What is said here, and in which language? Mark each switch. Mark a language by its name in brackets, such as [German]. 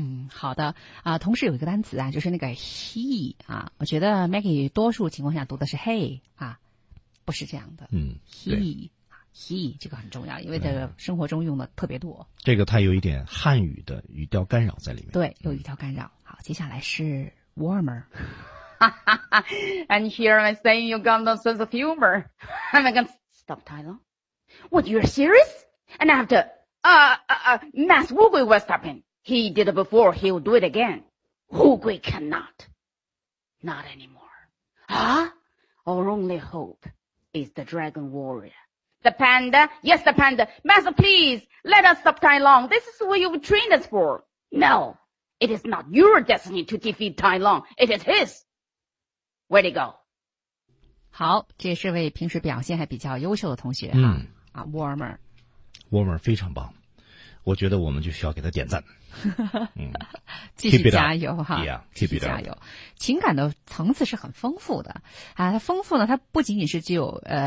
[Chinese] 好的啊，同时有一个单词啊，就是那个 he 啊，我觉得 Maggie 多数情况下读的是 he 啊，不是这样的。 he 这个很重要，因为在生活中用的特别多。这个它有一点汉语的语调干扰在里面。对，有语调干扰。好，接下来是 warmer。 [English] And here I'm saying you got no sense of humor. I'm gonna stop Tyler. What you're serious? And after Mass Wu Gui will stop him. He did it before, he'll do it again. Wu Gui cannot. Not anymore. Our only hope is the dragon warrior. The panda? Yes, the panda. Master, please, let us stop Tai Long. This is what you've trained us for. No, it is not your destiny to defeat Tai Long. It is his. Where'd he go? [Chinese] 好，这是位平时表现还比较优秀的同学哈。 [English] Warmer. [Chinese] Warmer 非常棒。我觉得我们就需要给他点赞。继续加油哈。 [English] Keep it up. [Chinese] 继续加油。情感的层次是很丰富的。它丰富呢，它不仅仅是具有